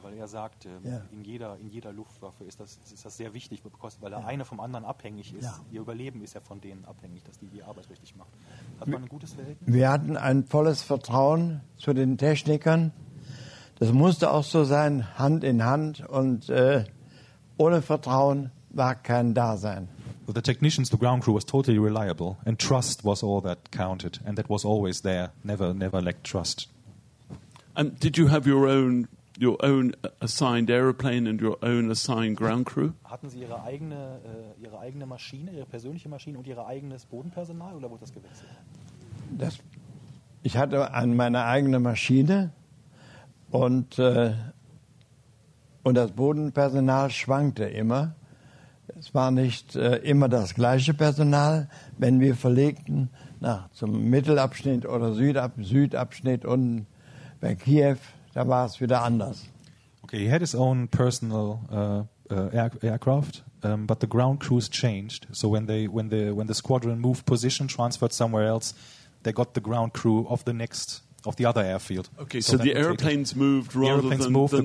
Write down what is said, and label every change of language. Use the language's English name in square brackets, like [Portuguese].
[German] Weil er sagte, in jeder Luftwaffe ist das sehr wichtig, weil der eine vom anderen abhängig ist. Ja. Ihr Überleben ist ja von denen abhängig, dass die Arbeit richtig macht. Hat man ein gutes Verhältnis? Wir hatten ein volles Vertrauen zu den Technikern. Das musste auch so sein, Hand in Hand. Und ohne Vertrauen war kein Dasein. [English] With the technicians, the ground crew was totally reliable. And trust was all that counted. And that was always there. Never, never lacked trust. And did you have your own assigned aeroplane and your own assigned ground crew? [German] Hatten Sie ihre eigene Maschine, ihre persönliche Maschine und ihr eigenes Bodenpersonal oder wurde das gewechselt? Ich hatte meine eigene Maschine und das Bodenpersonal schwankte immer. Es war nicht immer das gleiche Personal, wenn wir verlegten zum Mittelabschnitt oder Südabschnitt und bei Kiew, da war es wieder anders. [English] Okay, he had his own personal aircraft, but the ground crews changed. So when the squadron moved position, transferred somewhere else, they got the ground crew of the other airfield. Okay, so the airplanes moved rather than the